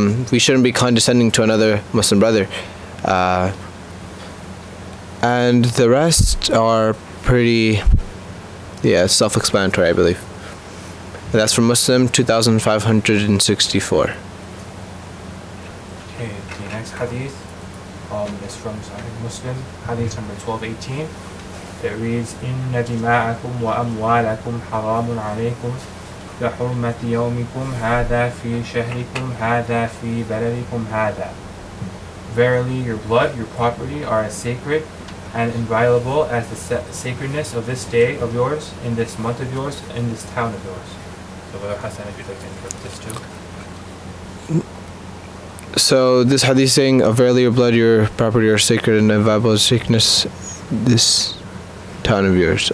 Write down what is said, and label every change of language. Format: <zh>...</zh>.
<en>We shouldn't be condescending to another Muslim brother. And the rest are pretty, self-explanatory, I believe. And that's from Muslim 2564. Okay, the next hadith is from Muslim, hadith number 1218. It reads,</en> <ar>إِنَّ دِمَاءَكُمْ وَأَمْوَالَكُمْ حَرَامٌ عَلَيْكُمْ لحرمة يومكم هذا في شهركم هذا في بلدكم هذا.</ar> <en>Verily, your blood, your property are as sacred and inviolable as the sacredness of this day of yours, in this month of yours, in this town of yours. So, Brother Hassan, if you'd like to interpret this too. So, this hadith saying, verily, your blood, your property are sacred and inviolable as sacredness, this town of yours.</en>